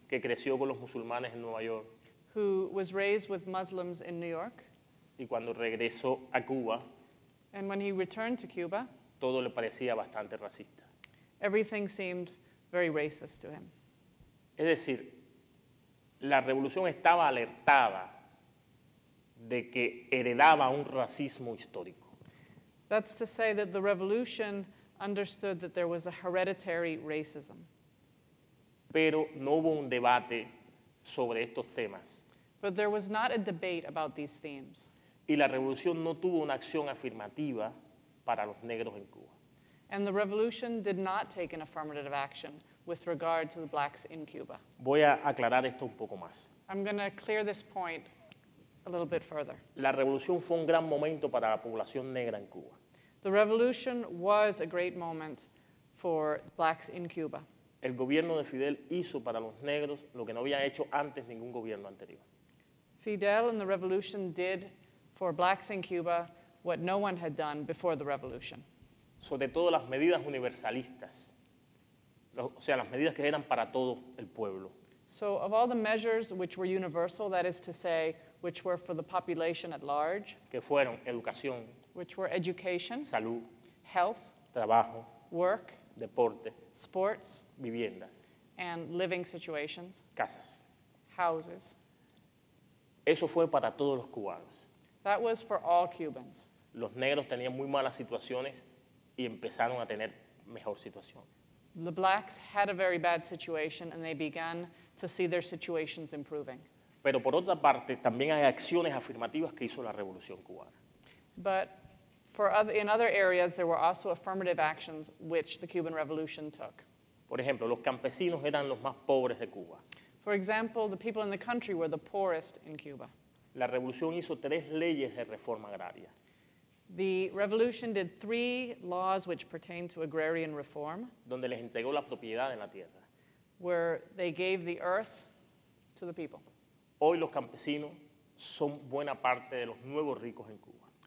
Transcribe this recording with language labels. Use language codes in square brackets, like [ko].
[es] Que creció con los musulmanes en Nueva York. [en] Who was raised with Muslims in New York. [es] Y cuando regresó a Cuba. [en] And when he returned to Cuba. [es] Todo le parecía bastante racista. [en] Everything seemed very racist to him. [es] Es decir, la revolución estaba alertada de que heredaba un racismo histórico. [en] That's to say that the revolution understood that there was a hereditary racism. [es] Pero no hubo un debate sobre estos temas. [en] But there was not a debate about these themes. [es] Y la revolución no tuvo una acción afirmativa para los negros en Cuba. [en] And the revolution did not take an affirmative action with regard to the blacks in Cuba. [es] Voy a aclarar esto un poco más. [en] I'm going to clear this point a little bit further. [es] La revolución fue un gran momento para la población negra en Cuba. [en] The revolution was a great moment for blacks in Cuba. [es] El gobierno de Fidel hizo para los negros lo que no había hecho antes ningún gobierno anterior. [en] Fidel and the revolution did for blacks in Cuba what no one had done before the revolution. [es] Sobre todo las medidas universalistas. O sea, las medidas que eran para todo el pueblo. [en] So of all the measures which were universal, that is to say, which were for the population at large. [es] Que fueron educación. [en] Which were education. [es] Salud. [en] Health. [es] Trabajo. [en] Work. [es] Deporte. [en] Sports. [es] Viviendas. [en] And living situations. [es] Casas. [en] Houses. [es] Eso fue para todos los cubanos. [en] That was for all Cubans. [es] Los negros tenían muy malas situaciones y empezaron a tener mejor situación. [en] The blacks had a very bad situation and they began to see their situations improving. [es] Pero por otra parte, también hay acciones afirmativas que hizo la revolución cubana. [en] But in other areas, there were also affirmative actions which the Cuban Revolution took. [es] Por ejemplo, los campesinos eran los más pobres de Cuba. [en] For example, the people in the country were the poorest in Cuba. [es] La revolución hizo tres leyes de reforma agraria. [en] The revolution did three laws which pertain to agrarian reform. [es] Donde les entregó la propiedad en la tierra. [en] Where they gave the earth to the people. [es] Hoy los campesinos son buena parte de los nuevos ricos en Cuba.